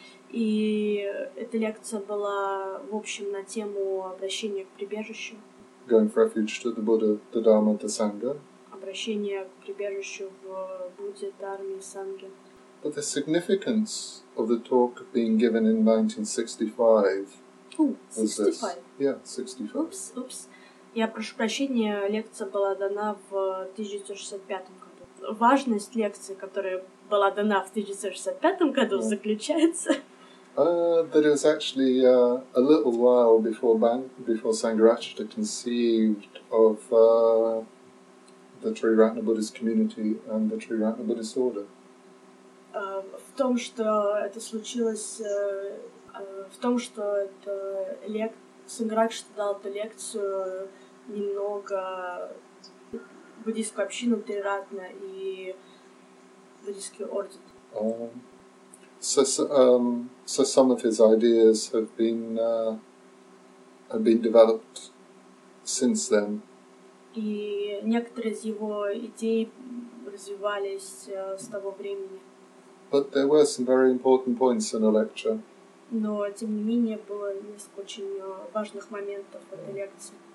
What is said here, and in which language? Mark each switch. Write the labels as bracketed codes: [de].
[ru] И эта лекция была в общем на тему обращения к прибежищу. [en] Going for refuge to the Buddha, the Dharma, the Sangha. [ru] Обращение к прибежищу в Будде, Дарме и Санге. [en] But the significance of the talk being given in 1965. Ooh, 65. Was this. Yeah, 65. Oops. [ru] Я прошу прощения, лекция была дана в 1965 году. Важность лекции, которая была дана в 1965 году, заключается [en] That it was actually a little while before Sangharakshita conceived of the Triratna Buddhist community and the Triratna Buddhist order. [ru] В том, что это случилось, в том, что это Сангаракшита дал эту лекцию немного буддийскую общину Триратна и буддийский орден. [en] So some of his ideas have been developed since then. [ru] И некоторые из его идей развивались с того времени. [en] But there were some very important points in the lecture. [ru] Но тем не менее было несколько очень важных моментов в этой лекции.